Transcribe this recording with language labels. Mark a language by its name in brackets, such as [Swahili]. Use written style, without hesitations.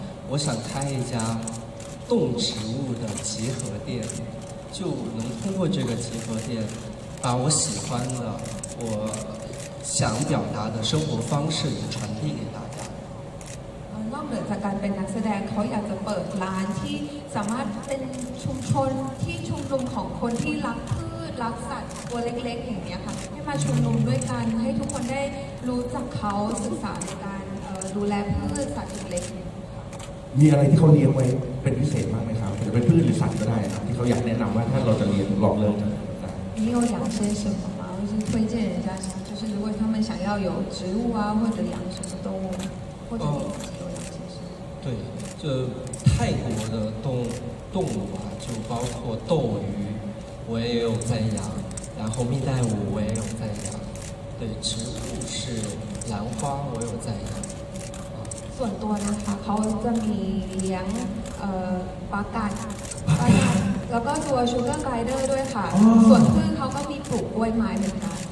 [Chinese] 我想开一家动植物的集合店，就能通过这个集合店，把我喜欢的、我想表达的生活方式也传递给大家。 [Thai] นอกจากการเป็นนักแสดงเขาอยากจะเปิดร้านที่สามารถเป็นชุมชนที่ชุมนุมของคนที่รักพืชรักสัตว์ตัวเล็กๆอย่างนี้ค่ะให้มาชุมนุมด้วยกันให้ทุกคนได้รู้จักเขาศึกษาการดูแลพืชสัตว์เล็ก มีอะไรที่เขาเลี้ยงไว้เป็นพิเศษมากไหมครับจะเป็นพืชหรือสัตว์ก็ได้นะครับที่เขาอยากแนะนำว่าถ้าเราจะเลี้ยงลองเริ่ม ได้มีอย่างเช่นอะไรหรือ [Chinese] 推荐人家就是如果他们想要有植物啊或者养什么动物或者你自己有养什么对就泰国的动物啊就包括斗鱼我也有在养然后蜜袋鼯我也有在养对植物是兰花我有在养 [Thai] ส่วนตัวนะคะเขาจะมีเลี้ยงปลากัดแล้วก็ตัวชูเกอร์ไกด์เดอร์ด้วยค่ะส่วนพืชเขาก็มีปลูกกล้วยไม้เหมือนกัน